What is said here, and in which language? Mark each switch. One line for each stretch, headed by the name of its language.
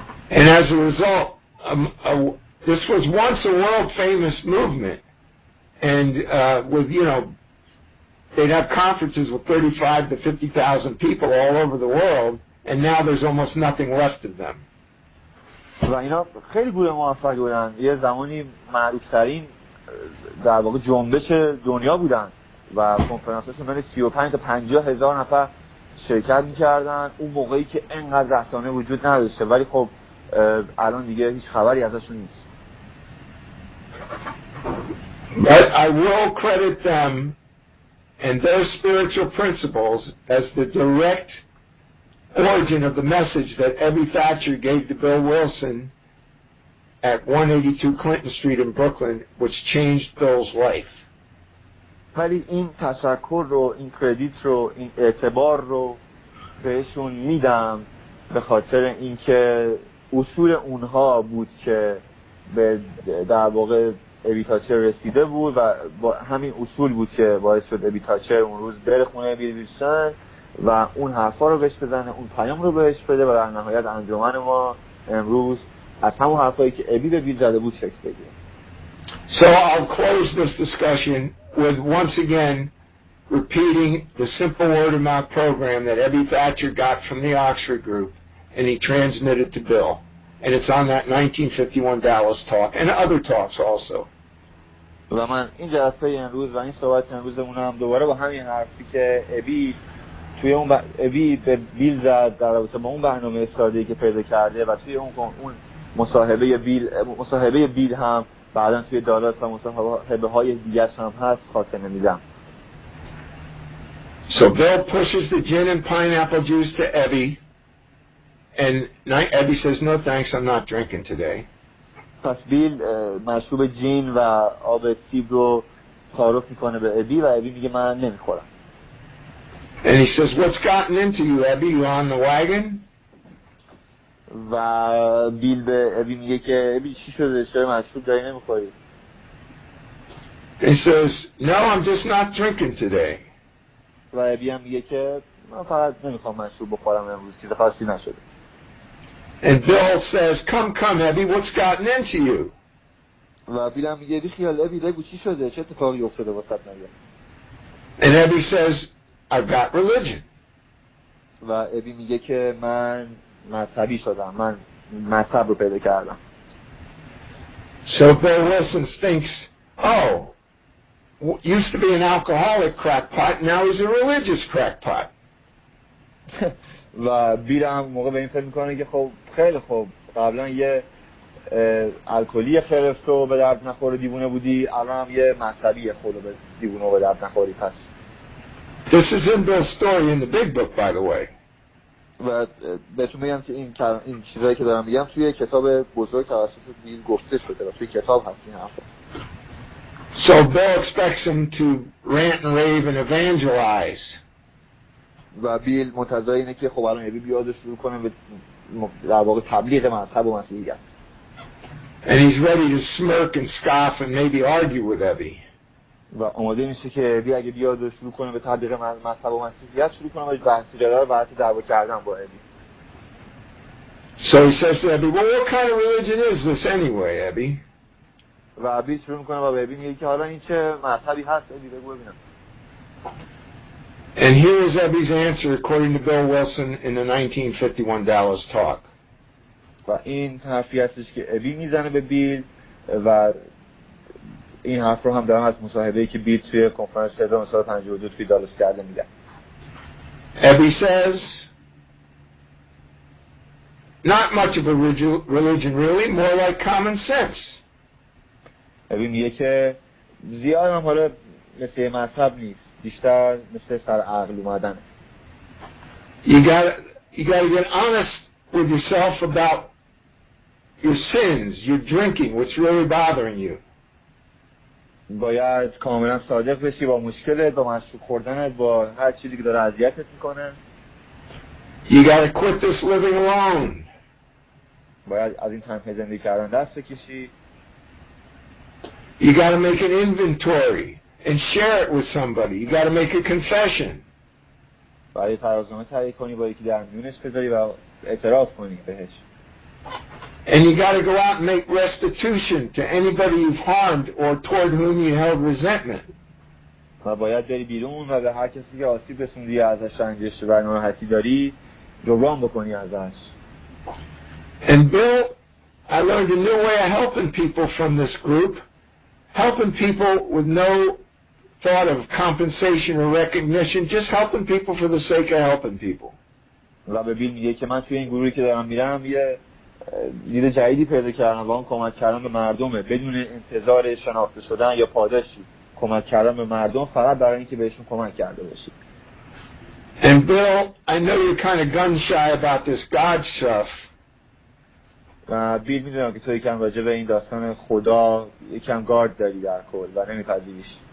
English: And as a result, this was once a world famous movement. And with, you know, they'd have conferences with 35,000 to 50,000 people all over the world. And now there's almost nothing left of them.
Persian: و اینا خیلی گروه موفقی بودن. یه زمانی معروف‌ترین در واقع جنبش دنیا بودن و کنفرانس‌هاشون بین 35 تا 50 هزار نفر شرکت می‌کردن. اون موقعی که اینقدر رسانه وجود نداشته، ولی خب الان دیگه هیچ خبری ازشون نیست.
English: But I will credit them and their spiritual principles as the direct origin of the message that Abby Thatcher gave to Bill Wilson at 182 Clinton Street in Brooklyn, which changed Bill's life.
Persian: ولی این تشکر رو، این کردیت رو، این اعتبار رو بهشون میدم به خاطر اینکه اصول اونها بود که به در واقع ابی تاچر رسیده بود و با همین اصول بود که باعث شد ابی تاچر اون روز بره خونه ابی ویلسون و اون حرفا رو بهش بزنه، اون پیام رو بهش بده و در نهایت انجمن ما امروز از همون حرفایی که ابی به بیل زده بود شکل بگیره.
English: So I'll close this discussion with once again repeating the simple word of my program that Abby Thatcher got from the Oxford Group, and he transmitted to Bill. And it's on that 1951 Dallas talk and other talks also.
Persian: و من این جلسه امروز و این صحبت امروزمون هم دوباره با همین حرفی که ابی توی اون ابی به بیل زد در رابطه با اون برنامه استادی که پیدا کرده و توی اون مصاحبه بیل هم بعدا توی دالاس و مصاحبه های دیگرش هم هست خاتمه میدم.
English: So Bill pushes the gin and pineapple juice to Ebby, and Ebby says, no thanks, I'm not drinking today.
Persian: پس بیل مشروب جین و آب سیب رو تعارف میکنه به ابی و ابی میگه من نمیخورم.
English: And he says, what's gotten into you, Ebby? You on the wagon?
Persian: و بیل به ابی میگه که ابی چی شده؟ چرا مشروب داری نمیخوری؟
English: He says, no, I'm just not drinking today.
Persian: و ابی هم میگه که من فقط نمیخوام مشروب بخورم امروز، چیز خاصی نشده.
English: And Bill says, come, Ebby, what's gotten into you?
Persian: و بیل هم میگه بی خیال ابی، بگو چی شده؟ چه اتفاقی افتاده واسط نگه؟
English: And Ebby says, I've got religion.
Persian: و ابی میگه که من مذهبی شدم، من مذهب رو پیدا کردم.
English: So Bill Wilson thinks, oh, used to be an alcoholic crackpot, now he's a religious crackpot.
Persian: و بیل هم موقع به این فکر میکنه که خب خیلی خوب، قبلا یه الکلی خرفت و به درد نخور دیوونه بودی، الان هم یه مذهبی خود و دیوونه به درد نخوری. پس
English: This is in Bill's story in the big book, by the way.
Persian: و بهتون بگم که این چیزایی که دارم بگم توی کتاب بزرگ توسط بیل گفته شده و توی کتاب هست این حرفا.
English: So Bill expects him to rant and rave and evangelize.
Persian: و بیل منتظر اینه که خب الان ابی بیاد شروع کنه به در واقع تبلیغ مذهب و مسیحیت.
English: And he's ready to smirk and scoff and maybe argue with Ebby.
Persian: و آماده میشه که ابی اگه بیاد شروع کنه به تبلیغ مذهب و مسیحیت شروع کنه به بحث جدال و حتی دعوا کردن با ابی.
English: So he says to Ebby, well, what kind of religion is this anyway, Ebby?
Persian: و ابی شروع میکنه به ابی میگه که حالا این چه مذهبی هست ابی، بگو ببینم.
English: And here is Ebby's answer according to Bill Wilson in the 1951 Dallas talk.
Persian: و این حرفی هستش که ابی میزنه به بیل و این حرف رو هم دارم از مصاحبه‌ای که بیل توی کنفرانس سوم سال 52 توی دالاس کرده میده.
English: Ebby says, not much of a religion really, more like common sense.
Persian: ابی میگه که زیاد هم حالا مثل مذهب نیست. بیشتر مثل سر عقل اومدن.
English: You gotta get honest with yourself about your sins, your drinking, what's really bothering you.
Persian: باید کاملا صادق بشی با مشکلت، با مشروب خوردنت، با هر چیزی که داره اذیتت میکنه.
English: You gotta quit this living alone.
Persian: باید از این تنهایی زندگی کردن دست بکشی.
English: You gotta make an inventory and share it with somebody. You got to make a confession.
Persian: باید ترازنامه تهیه کنی، با یکی در میونش بذاری و اعتراف کنی بهش.
English: And you got to go out and make restitution to anybody you've harmed or toward whom you held resentment.
Persian: و باید بری بیرون و به هر کسی که آسیب رسوندی ازش رنجش و ناراحتی داری جبران بکنی ازش.
English: And Bill, I learned a new way of helping people from this group. Helping people with no thought of compensation or recognition, just helping people for the sake of helping people.
Persian: لابد بیل میگه که من توی این گروهی که دارم میرم یه دید جدیدی پیدا کردم و اون کمک کردن به مردمه بدون انتظار شناخته شدن یا پاداشی. کمک کردن به مردم فقط برای اینکه بهشون کمک کرده باشی.
English: And Bill, I know you're kind of gun shy about this God stuff.
Persian: و بیل میدونم که تو یکم راجع به این داستان خدا یکم گارد داری در کل و نمیپذیریش.